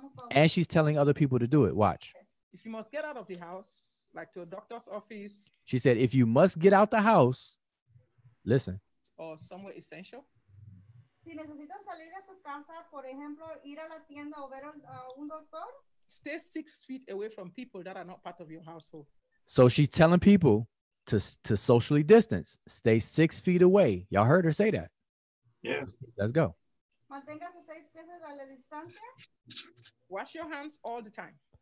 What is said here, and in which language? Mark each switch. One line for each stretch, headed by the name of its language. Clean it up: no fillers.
English: And she's telling other people to do it. Watch. If you must get out of the house, like to a doctor's office. She said, if you must get out the house, listen. Or somewhere essential.
Spanish: Si necesitan salir de su casa, por ejemplo, ir a la tienda o ver a un doctor.
English: Stay 6 feet away from people that are not part of your household. So she's telling people to socially distance. Stay 6 feet away. Y'all heard her say that? Yeah. Let's go.
Spanish: Manténgase 6 pies a la distancia.
English: Wash your hands all the time.